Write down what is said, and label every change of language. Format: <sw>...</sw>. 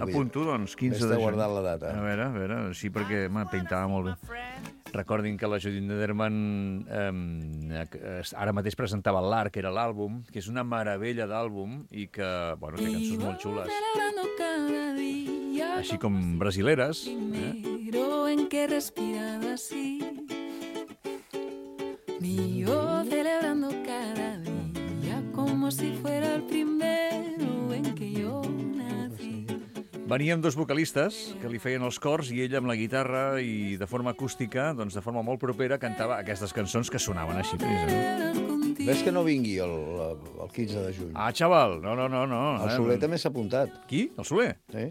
<ca>apunto, doncs, 15 de juny. Vés-te guardant la data. A veure, sí, perquè m'ha pintat molt bé. Recordin que la Judit Nederman ara mateix presentava l'Arc, que era l'àlbum, que és una meravella d'àlbum i que, bueno, té cançons molt xules. Així com brasileres.</ca> <es>Primero en que respirar así. Vivo celebrando cada día como si fuera el primero en que yo nací.</es> <ca>Venien dos vocalistes que li feien els cors i ell amb la guitarra i de forma acústica, doncs de forma molt propera, cantava aquestes cançons que sonaven així. Ves que no vingui el 15 de juny. Ah, xaval, no. El Soler també s'ha apuntat. Qui? El Soler? Sí.</ca>